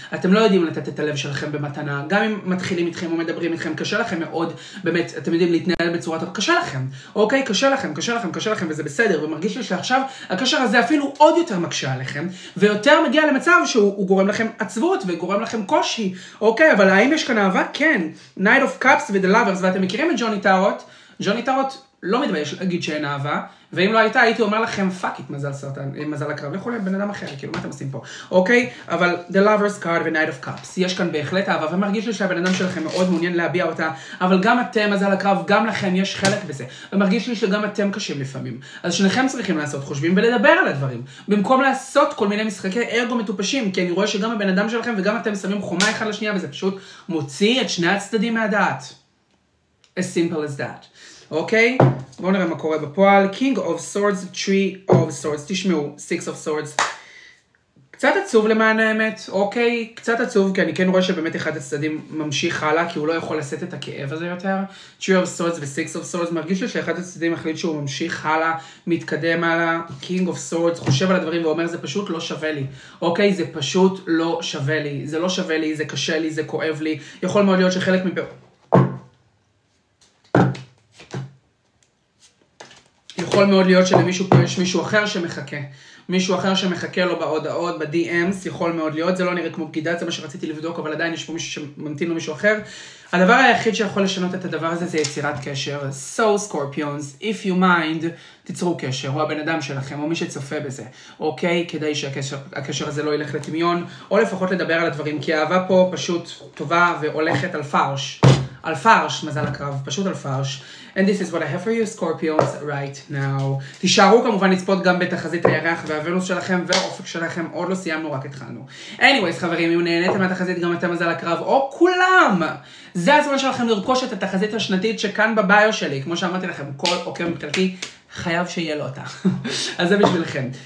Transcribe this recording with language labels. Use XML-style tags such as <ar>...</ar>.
<he>אתם לא יודעים לתת את הלב שלכם במתנה. גם אם מתחילים איתכם ומדברים איתכם, קשה לכם מאוד, באמת, אתם יודעים להתנהל בצורה טוב. קשה לכם. אוקיי, קשה לכם, קשה לכם, קשה לכם, וזה בסדר. ומרגיש לי שעכשיו הקשר הזה אפילו עוד יותר מקשה עליכם, ויותר מגיע למצב שהוא גורם לכם עצבות וגורם לכם קושי. אוקיי, אבל האם יש כאן אהבה? כן. Knight of Cups with the Lovers, ואתם מכירים את ג'וני טארוט? ג'וני טארוט לא מתבייש להגיד שאין אהבה, ואם לא הייתה, הייתי אומר לכם,</he> <en>"Fuck it,</en> <he>מזל סרטן, מזל הקרב." לכו לבן אדם אחר, כאילו, מה אתם עושים פה? אוקיי? אבל The Lover's Card ו-Knight of Cups. יש כאן בהחלט אהבה, ומרגיש לי שהבן אדם שלכם מאוד מעוניין להביע אותה, אבל גם אתם, מזל הקרב, גם לכם יש חלק בזה. ומרגיש לי שגם אתם קשים לפעמים. אז שניכם צריכים לעשות חושבים ולדבר על הדברים. במקום לעשות כל מיני משחקי ארגו מטופשים, כי אני רואה שגם הבן אדם שלכם וגם אתם שמים חומה אחד לשנייה, וזה פשוט מוציא את שני הצדדים מהדעת.</he> <en>As simple as that.</en> <he>אוקיי, בואו נראה מה קורה בפועל.</he> <en>King of Swords, Three of Swords. תשמעו, Six of Swords.</en> <he>קצת עצוב למען האמת, אוקיי? קצת עצוב, כי אני כן רואה שבאמת אחד הצדדים ממשיך הלאה, כי הוא לא יכול לשאת את הכאב הזה יותר.</he> <en>Three of Swords ו-Six of Swords.</en> <he>מרגיש לי שאחד הצדדים החליט שהוא ממשיך הלאה, מתקדם הלאה. King of Swords חושב על הדברים ואומר, זה פשוט לא שווה לי. אוקיי? זה פשוט לא שווה לי. זה לא שווה לי, זה קשה לי, זה כואב לי. יכול מאוד להיות שחלק מפ... יכול מאוד להיות שלמישהו פה יש מישהו אחר שמחכה. מישהו אחר שמחכה לו בהודעות, ב-DMs, יכול מאוד להיות. זה לא נראה כמו בגידה, זה מה שרציתי לבדוק, אבל עדיין יש פה מישהו שממתין לו מישהו אחר. הדבר היחיד שיכול לשנות את הדבר הזה זה יצירת קשר.</he> <en>So Scorpions, if you mind,</en> <he>תיצרו קשר. הוא הבן אדם שלכם, או מי שצופה בזה. אוקיי, כדי שהקשר הזה לא ילך לטמיון, או לפחות לדבר על הדברים, כי האהבה פה פשוט טובה והולכת על פרש. על פרש, מזל הקרב, פשוט על פרש.</he> <en>And this is what I have for you, Scorpions, right now.</en> <he>תישארו כמובן לצפות גם בתחזית הירח והוונוס שלכם והאופק שלכם, עוד לא סיימנו, רק התחלנו. Anyways, חברים, אם נהניתם מהתחזית, גם אתם מזל הקרב, או כולם! זה הזמן שלכם לרכוש את התחזית השנתית שכאן בביו שלי, כמו שאמרתי לכם, כל עוקם מבחינתי חייב שיהיה לו אותה. אז זה בשבילכם.</he>